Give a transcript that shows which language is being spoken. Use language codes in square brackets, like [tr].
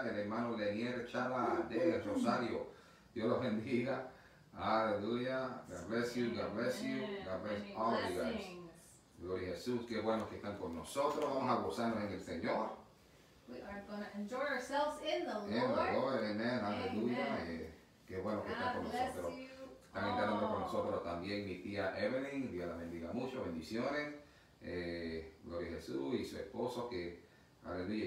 [es] El hermano Lenier Chala de Rosario, Dios los bendiga. [en] Hallelujah. God bless you, God bless you. God bless all of you guys. [es] Gloria a Jesús, qué bueno que están con nosotros. Vamos a gozarnos en el Señor. [en] We are going to enjoy ourselves in the Lord. [es] En el Señor, amén, aleluya. Qué bueno que están con nosotros. Están entrando con nosotros también mi tía Evelyn. Dios la bendiga mucho, bendiciones. Gloria a Jesús y su esposo, que aleluya.